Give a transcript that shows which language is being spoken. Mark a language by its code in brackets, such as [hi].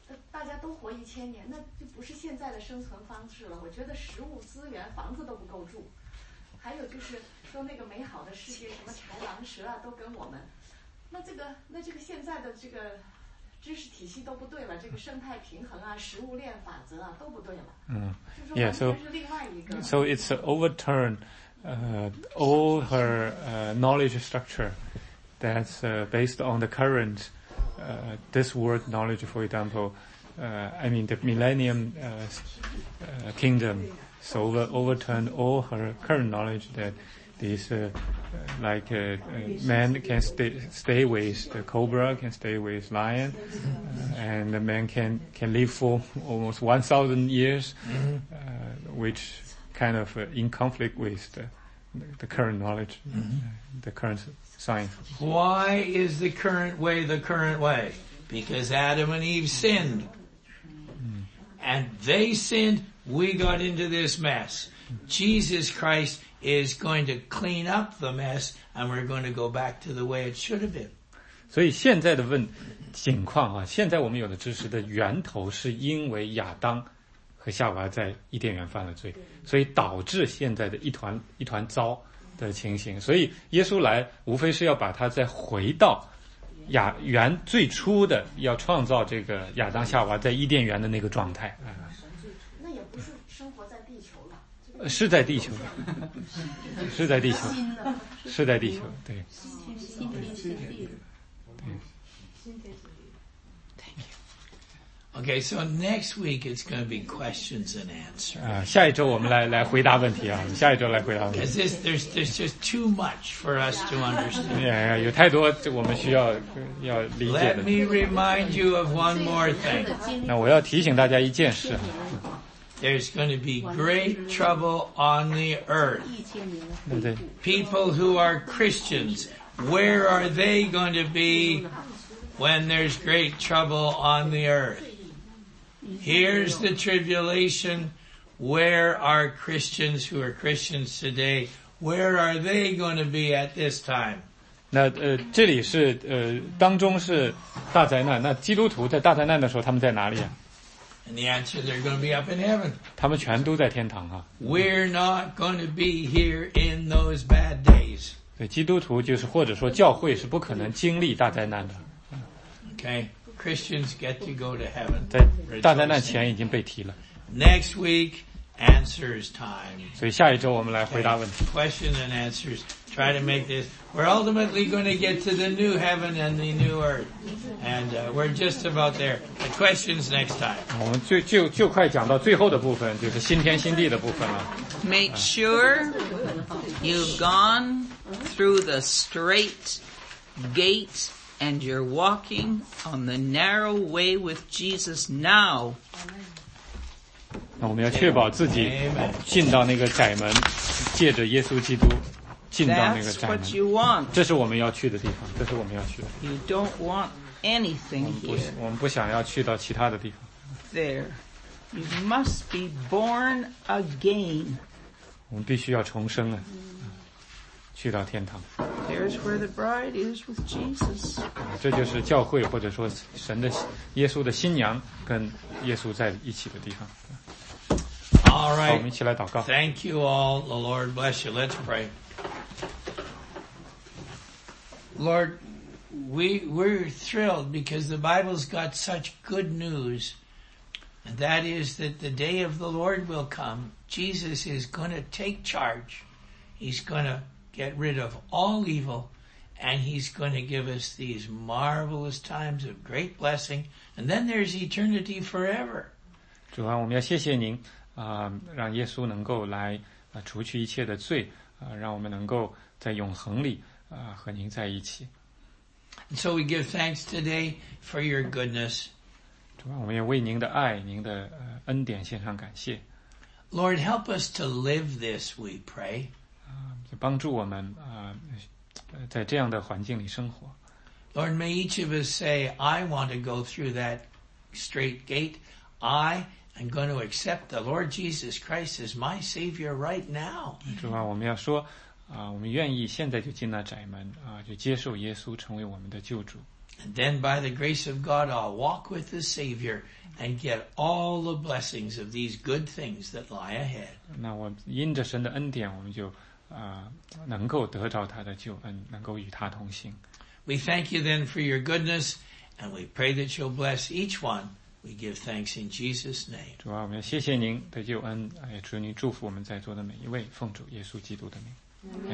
[zh] 大家都活一千年，那就不是现在的生存方式了。我觉得食物、资源、房子都不够住，还有就是说那个美好的世界，什么豺狼蛇啊，都跟我们。那这个现在的这个知识体系都不对了，这个生态平衡啊、食物链法则啊都不对了。嗯，就说完全是另外一个。 [en] Yeah, so it's overturn, all her knowledge structure that's based on the current. This world knowledge, for example, the millennium kingdom, so overturned all her current knowledge that these, man can stay with the cobra, can stay with lion, and the man can live for almost 1,000 years, which kind of in conflict with the current knowledge, the current. Science. Why is the current way the current way? Because Adam and Eve sinned. And they sinned, we got into this mess. Jesus Christ is going to clean up the mess and we're going to go back to the way it should have been. [zh] 所以现在的情况啊，现在我们有的知识的源头是因为亚当和夏娃在伊甸园犯了罪，所以导致现在的一团糟的情形，所以耶稣来无非是要把他再回到亚原最初的，要创造这个亚当夏娃在伊甸园的那个状态。那也不是生活在地球了，这个是在地球，是在地球，是在地球，对。 [en] Okay, so next week it's going to be questions and answers. [zh] 下一周我们来回答问题啊，下一周来回答问题。 [en] Because there's just too much for us to understand. [zh] Yeah, 有太多我们需要理解的。 [en] Let me remind you of one more thing. [zh] 那我要提醒大家一件事。 [en] There's going to be great trouble on the earth. People who are Christians, where are they going to be when there's great trouble on the earth? Here's the tribulation. Where are Christians who are Christians today? Where are they going to be at this time? [zh] 那这里是当中是大灾难。那基督徒在大灾难的时候，他们在哪里啊？ [en] And the answer, they're going to be up in heaven. [zh] 他们全都在天堂啊。 [en] We're not going to be here in those bad days. [zh] 对，基督徒就是或者说教会是不可能经历大灾难的。 [en] Okay. Christians get to go to heaven. [zh] 在大灾难前已经被提了。 [en] Next week, answers time. [zh] 所以下一周我们来回答问题。 [en] Question and answers. Try to make this. We're ultimately going to get to the new heaven and the new earth. And we're just about there. The questions next time. [zh] 我们就快讲到最后的部分，就是新天新地的部分了。 [en] Make sure you've gone through the straight gate. And you're walking on the narrow way with Jesus now. [zh] 那我们要确保自己进到那个窄门，借着耶稣基督进到那个窄门。 [en] That's what you want. [zh] 这是我们要去的地方，这是我们要去的。 [en] You don't want anything here. [zh] 我们不想要去到其他的地方。 [en] There. You must be born again. [zh] 我们必须要重生啊。去到天堂。 [en] There's where the bride is with Jesus. [zh] 这就是教会或者说神的耶稣的新娘跟耶稣在一起的地方。 [en] All right. [zh] 我们一起来祷告。 [en] Thank you all. The Lord bless you. Let's pray. Lord, we're thrilled because the Bible's got such good news. And that is that the day of the Lord will come. Jesus is going to take charge. He's going to get rid of all evil, and he's going to give us these marvelous times of great blessing, and then there's eternity forever. [zh] 主啊，我们要谢谢您，让耶稣能够来除去一切的罪，让我们能够在永恒里和您在一起。 [en] And so we give thanks today for your goodness. [zh] 主啊，我们也为您的爱，您的恩典献上感谢。 [en] Lord, help us to live this, we pray. [zh] 就帮助我们在这样的环境里生活。 [en] Lord, may each of us say, I want to go through that straight gate. I am going to accept the Lord Jesus Christ as my Savior right now. [zh] 主啊，我们要说我们愿意现在就进那窄门就接受耶稣成为我们的救主。 [en] And then by the grace of God, I'll walk with the Savior and get all the blessings of these good things that lie ahead. [zh] 那我因着神的恩典，我们就能够得着他的救恩，能够与他同行。 [en] We thank you then for your goodness, and we pray that you'll bless each one. We give thanks in Jesus' name. [zh] 主啊，我们要谢谢您的救恩，也求您祝福我们在座的每一位，奉主耶稣基督的名。